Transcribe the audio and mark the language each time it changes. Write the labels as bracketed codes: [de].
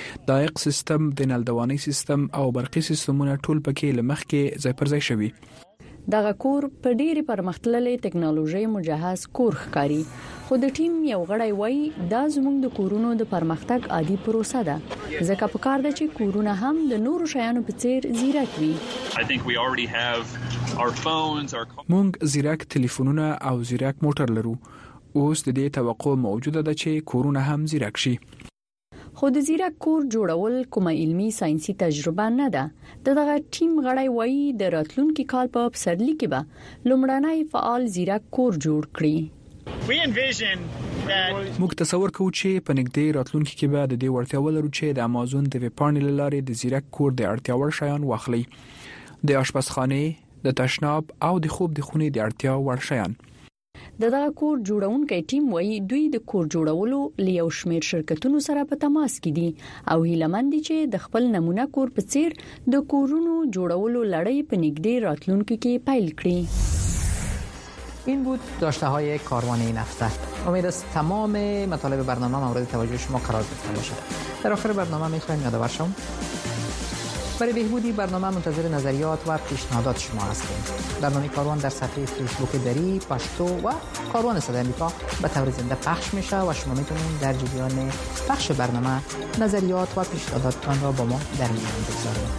[ps] دایق سیستم، د نلدوانی سیستم او برقي سیستمونه ټول پکې لمخ کې ځای پر ځای شوي. دغه کور په ډیری پرمختللې ټکنالوژي مجهز کور ښکاري، خو د ټیم یو غړی وای دا زموږ د کورونو د پرمختګ عادي پروسه ده، ځکه په کار ده چې کورونه هم د نورو شیانو په څیر زیرک وي. موږ زیرک تلیفونونه او زیرک موټر لرو. اوس د دې توقع موجوده ده چې کورونه هم زیرک شي. خود زیرک کور جوړول کومه علمی ساينسي تجربه نه ده. دغه ټیم غړی وایي د راتلونکي کال په پسرلی کې به لومړنی فعال زیرک کور جوړ کړي. موږ تصور کوو چې په نږدې راتلونکي کې به د دې وړتیا ولرو چې د امازون د ویب پاڼې له لارې د زیرک کور د اړتیا وړ شیان واخلي، د آشپزخانې، د تشناب او د خوب د خونې د اړتیا وړ شیان. دغه کور جوړونکي ټیم وایي دوی د کور جوړولو له یو شمېر شرکتونو سره په تماس کې دي او هیله مند دي چې د خپل نمونه کور په څیر د کورونو جوړولو لړۍ په نږدې راتلونکي کې پیل کړي. [fa] این بود داشته های کاروان این هفته. امید است تمام مطالب برنامه مورد توجه شما قرار گرفته باشد. در آخر برنامه می خواهیم یادآور شوم برای بهبودی برنامه منتظر نظریات و پیشنهادات شما هستیم. برنامه کاروان در صفحه فیسبوک دری، پشتو و کاروان صدای آمریکا به طور زنده پخش میشه و شما میتونید در جریان پخش برنامه نظریات و پیشنهاداتتان را با ما در میان بگذارید.